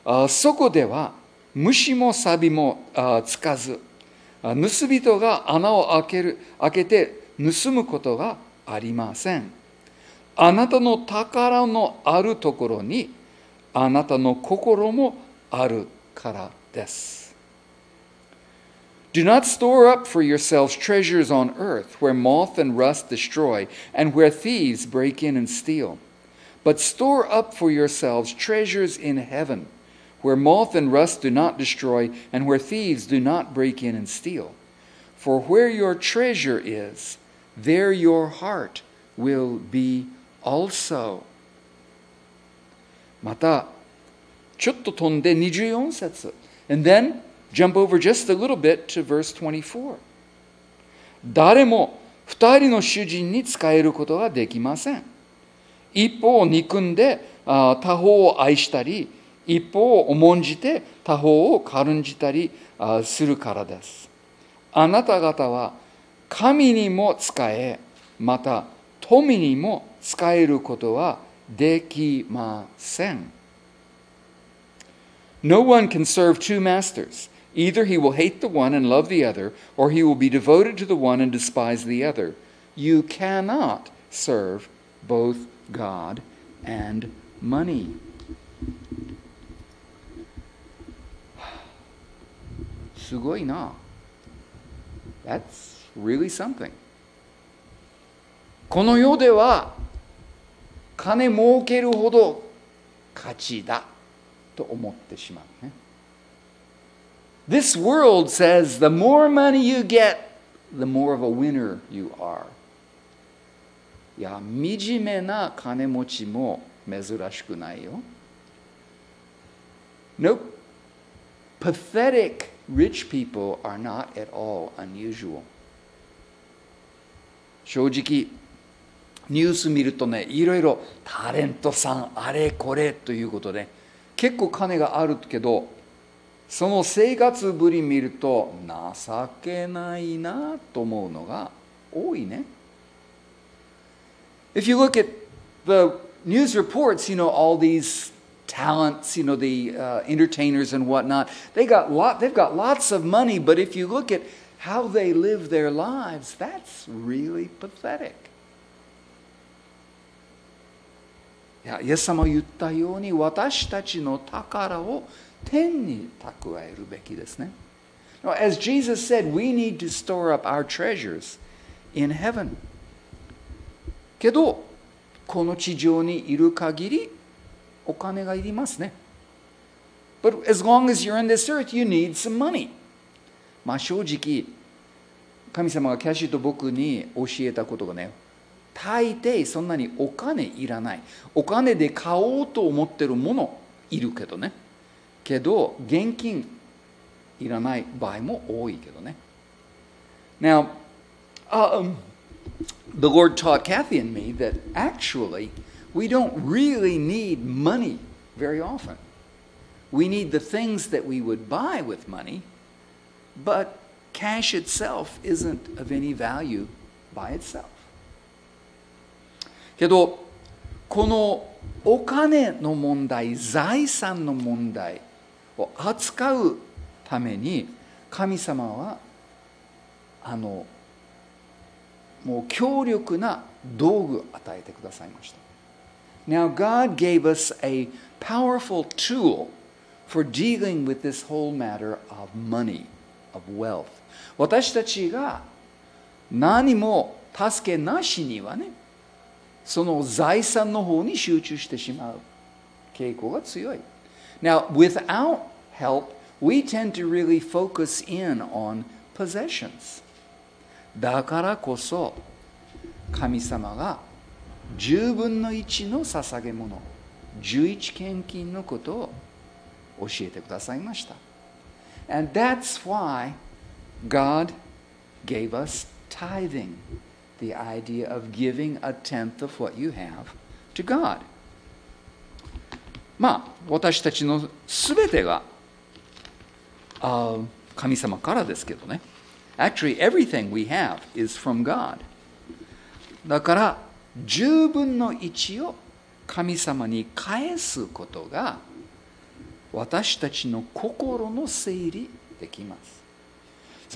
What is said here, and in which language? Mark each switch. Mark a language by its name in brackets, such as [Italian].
[Japanese] そこでは虫も錆もつかず、盗人が穴を開けて盗むことがありません。あなたの宝のあるところにあなたの心もあるからです。 [English] Do not store up for yourselves treasures on earth where moth and rust destroy and where thieves break in and steal. But store up for yourselves treasures in heaven where moth and rust do not destroy and where thieves do not break in and steal. For where your treasure isThere your heart will be also. [Japanese] また、ちょっと飛んで24節。 [English] And then, jump over just a little bit to verse 24. [Japanese] 誰も二人の主人に仕えることができません。一方を憎んで他方を愛したり、一方を重んじて他方を軽んじたりするからです。あなた方は神にも仕え、また富にも仕えることはできません。 [English] No one can serve two masters. Either he will hate the one and love the other, or he will be devoted to the one and despise the other. You cannot serve both God and money. [Japanese] すごいな。 [English] That's really something. [Japanese] この世では金儲けるほど価値だと思ってしまうね。 [English] This world says the more money you get, the more of a winner you are. [Japanese] いや、惨めな金持ちも珍しくないよ。 [English] Nope. Pathetic rich people are not at all unusual. [Japanese] 正直、ニュース見るとね、いろいろタレントさんあれこれということで、結構金があるけど、その生活ぶり見ると情けないなと思うのが多いね。 [English] If you look at the news reports, you know, all these talents, you know, the entertainers and whatnot, they've got lots of money, but if you look at how they live their lives, that's really pathetic. [Japanese] Yeah, イエス様言ったように、私たちの宝を天に蓄えるべきですね。 [English] Now, as Jesus said, we need to store up our treasures in heaven. [Japanese] けどこの地上にいる限りお金がいりますね。 [English] But as long as you're in this earth, you need some money. [Japanese] まあ正直、神様がキャシーと僕に教えたことがね、大抵そんなにお金いらない。お金で買おうと思ってるものいるけどね。けど現金いらない場合も多いけどね。 [English] Now, The Lord taught Kathy and me that actually we don't really need money very often. We need the things that we would buy with money, but cash itself isn't of any value by itself. [Japanese] けどこのお金の問題、財産の問題を扱うために神様はもう強力な道具を与えてくださいました。 [English] Now, God gave us a powerful tool for dealing with this whole matter of money, of wealth. [Japanese] 私たちが何も助けなしにはね、その財産の方に集中してしまう傾向が強い。 [English] Now, without help, we tend to really focus in on possessions. [Japanese] だからこそ神様が十分の一の捧げ物、十一献金のことを教えてくださいました。 [English] And that's why God gave us tithing, the idea of giving a tenth of what you have to God. [Japanese] まあ、私たちのすべてが神様からですけどね。 [English] Actually, everything we have is from God. [Japanese] だから十分の一を神様に返すことが私たちの心の整理できます。